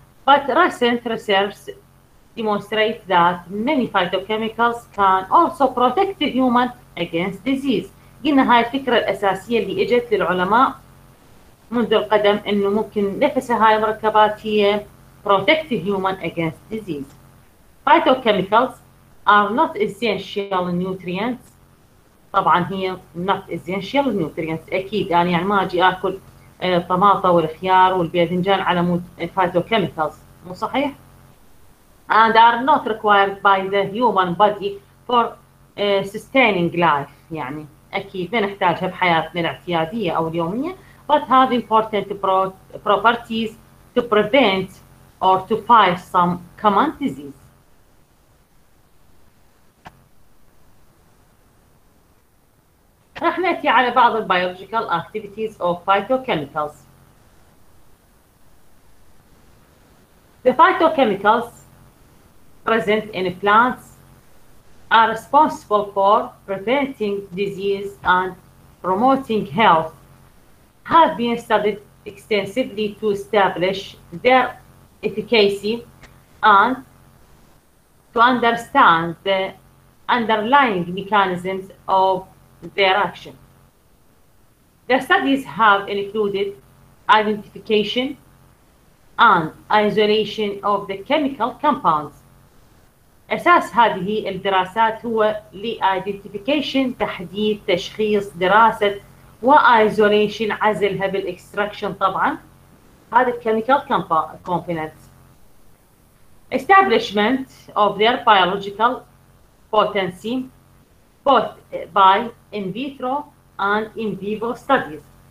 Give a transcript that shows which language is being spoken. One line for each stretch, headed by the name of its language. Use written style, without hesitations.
English: But recent research demonstrates that many phytochemicals can also protect the human against disease.
Arabic: قلنا هاي الفكرة الأساسية اللي إجت للعلماء منذ القدم، إنه ممكن نفس هاي المركبات هي
English: protect the human against disease. Phytochemicals are not essential nutrients.
Arabic: طبعا هي
English: not essential nutrients
Arabic: اكيد، يعني ما اجي اكل الطماطه والخيار والباذنجان على مود
English: phytochemicals،
Arabic: مو صحيح؟
English: And are not required by the human body for sustaining life،
Arabic: يعني اكيد ما نحتاجها بحياتنا الاعتياديه او اليوميه،
English: but have important properties to prevent or to fight some common disease.
Arabic: راح ناتي على بعض
English: البيولوجيكال activities of
Arabic: phytochemicals.
English: The phytochemicals present in plants are responsible for preventing disease and promoting health have been studied extensively to establish their efficacy and to understand the underlying mechanisms of their action. The studies have included identification and isolation of the chemical compounds.
Arabic: أساس هذه الدراسات هو لإيدنتيفيكيشن، تحديد، تشخيص، دراسة وإيزوليشن، عزلها بالإكستراكشن طبعا، هذا الكيميكال كومبوننت.
English: Establishment of their biological potency both by in vitro and in vivo studies.